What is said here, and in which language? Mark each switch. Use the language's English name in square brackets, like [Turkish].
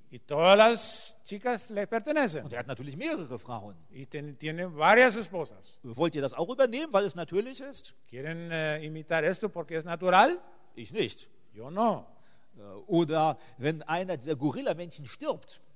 [Spanish] Y todas las chicas le pertenecen. [German] Und er hat natürlich mehrere Frauen. [Spanish] Y tiene varias esposas. [German] Wollt ihr das auch übernehmen, weil es natürlich ist? [Spanish] Quieren imitar esto porque es natural? [German] Ich nicht. [Spanish] Yo no. [German] Oder wenn einer dieser Gorillamännchen stirbt.